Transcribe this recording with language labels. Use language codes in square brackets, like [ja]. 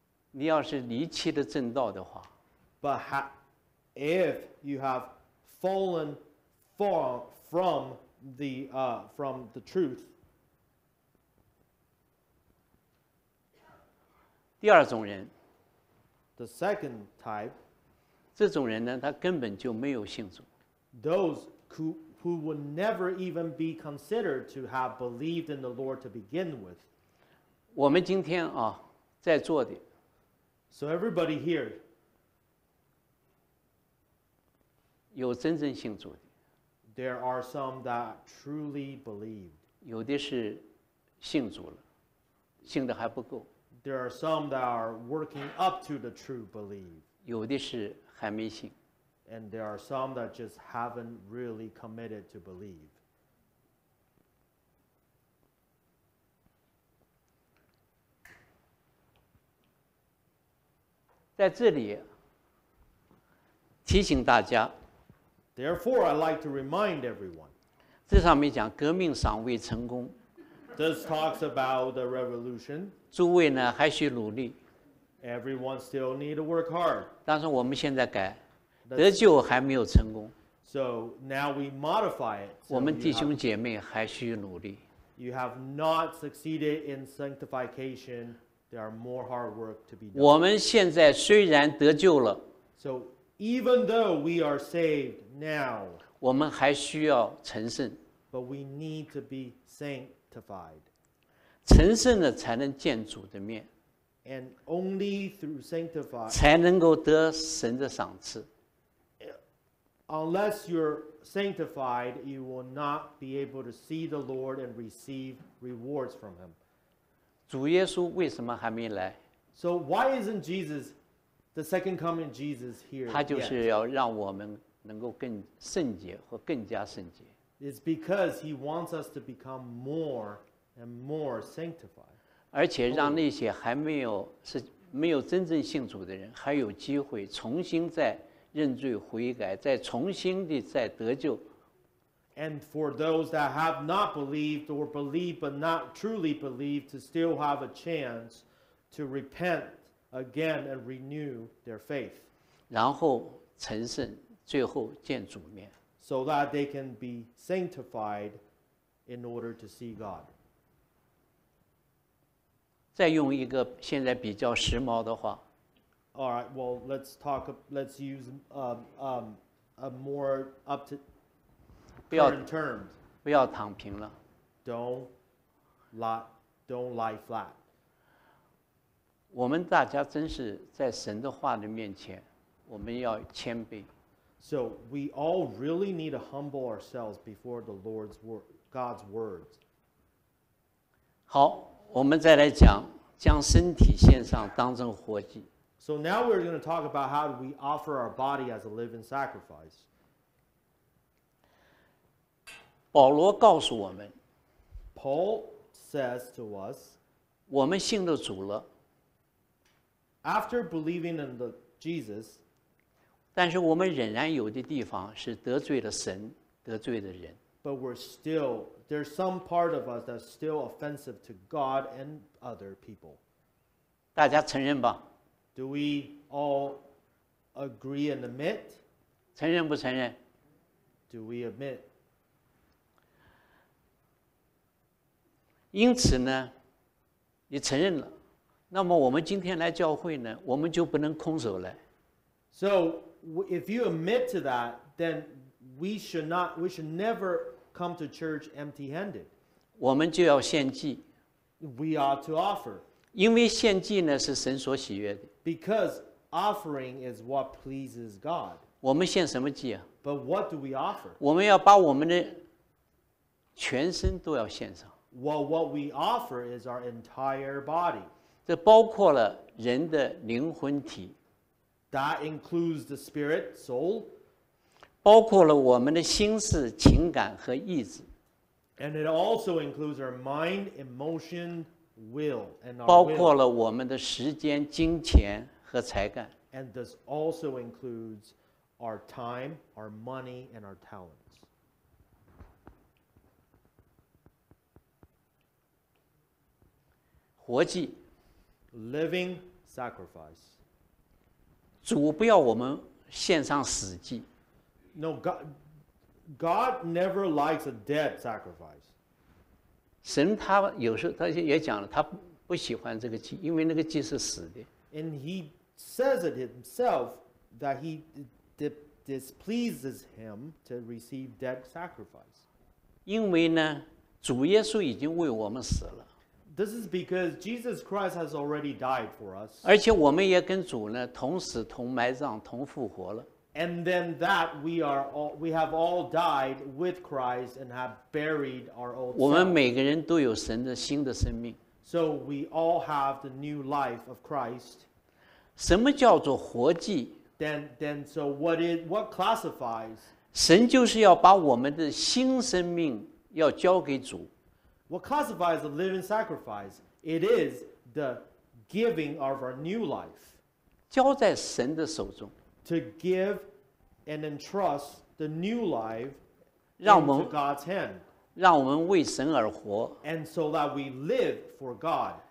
[zh] 你要是离弃了正道的话 [en] ，But if you have fallen far from the truth. [zh] 第二种人 [en] ，The second type. [zh] 这种人呢，他根本就没有信主。 [en] Those who would never even be considered to have believed in the Lord to begin with. [zh] 我们今天啊，在座的。 [en] So everybody here. [zh] 有真正信主的。 [en] There are some that truly believed. [zh] 有的是信主了，信的还不够。 [en] There are some that are working up to the true belief. [zh] 有的是还没信。 [en] And there are some that just haven't really committed to believe. [zh] 在这里，提醒大家。 [en] Therefore, I'd like to remind everyone. [zh] 这上面讲革命尚未成功。 [en] This talks about the revolution. [zh] 诸位呢还需努力。 [en] Everyone still need to work hard. [zh] 但是我们现在改，得救还没有成功。 [en] So now we modify it. [zh] 我们弟兄姐妹还需努力。 [en] You have not succeeded in sanctification. There are more hard work to be done. [zh] 我们现在虽然得救了。 [en] So even though we are saved now. [zh] 我们还需要成圣。 [en] But we need to be sanctified. [zh] 成圣了才能见主的面。 [en] And only through sanctified. [zh] 才能够得神的赏赐。 [en] Unless you're sanctified, you will not be able to see the Lord and receive rewards from Him. [zh] 主耶稣为什么还没来？ [en] So why isn't Jesus, the second coming Jesus here? [zh] 他就是要让我们能够更圣洁或更加圣洁。 [en] It's because He wants us to become more and more sanctified. [zh] 而且让那些还没有是没有真正信主的人，还有机会重新再。认罪悔改，再重新的再得救。 [en] And for those that have not believed or believe but not truly believe, to still have a chance to repent again and renew their faith. [zh] 然后成圣，最后见主面。 [en] So that they can be sanctified in order to see God. [zh] 再用一个现在比较时髦的话。 [en] All right. Well, let's talk. Let's use a more up to current terms. [zh] 不要躺平了。 [en] Don't lie flat. [zh] 我们大家真是在神的话的面前，我们要谦卑。 [en] So we all really need to humble ourselves before the Lord's word, God's words. [zh] 好，我们再来讲，将身体献上，当成活祭。 [en] So now we're going to talk about how do we offer our body as a living sacrifice. [zh] 保罗告诉我们。 [en] Paul says to us. [zh] 我们信了主了。 [en] After believing in the Jesus. [zh] 但是我们仍然有的地方是得罪了神，得罪了人。 [en] But we're still, there's some part of us that's still offensive to God and other people. [zh] 大家承认吧。 [en] Do we all agree and admit? [zh] 承认不承认? [en] Do we admit? [zh] 因此呢，你承认了，那么我们今天来教会呢，我们就不能空手来。 [en] So if you admit to that, then we should never come to church empty-handed. [zh] 我们就要献祭。 [en] We ought to offer. [zh] 因为献祭呢，是神所喜悦的。 [en] Because offering is what pleases God. [zh] 我们献什么祭啊? [en] But what do we offer? [zh] 我们要把我们的全身都要献上。 [en] Well, what we offer is our entire body. [zh] 这包括了人的灵魂体。 [en] That includes the spirit, soul. [zh] 包括了我们的心思、情感和意志。 [en] And it also includes our mind, emotion, will and our [zh] 包括了我们的时间、金钱和才干。 [en] And this also includes our time, our money, and our talents. [zh] 活祭 [en] living sacrifice. [zh] 主不要我们献上死祭。 [en] No, God never likes a dead sacrifice. [zh] 神他有时候他也讲了，他不喜欢这个祭，因为那个祭是死的。 [en] And he says it himself that he displeases him to receive dead sacrifice. [zh] 因为呢，主耶稣已经为我们死了。 [en] This is because Jesus Christ has already died for us. [zh] 而且我们也跟主呢同死、同埋葬、同复活了。 [en] And then that we have all died with Christ and have buried our old self. [zh] 我们每个人都有神的新的生命。 [en] So we all have the new life of Christ. [zh] 什么叫做活祭? [en] Then what classifies? [zh] 神就是要把我们的新生命要交给主。 [en] What classifies a living sacrifice? It is the giving of our new life. [zh] 交在神的手中。 [en] To give and entrust the new life into God's hand. [zh] 让我们为神而活。 [en] And so that we live for God.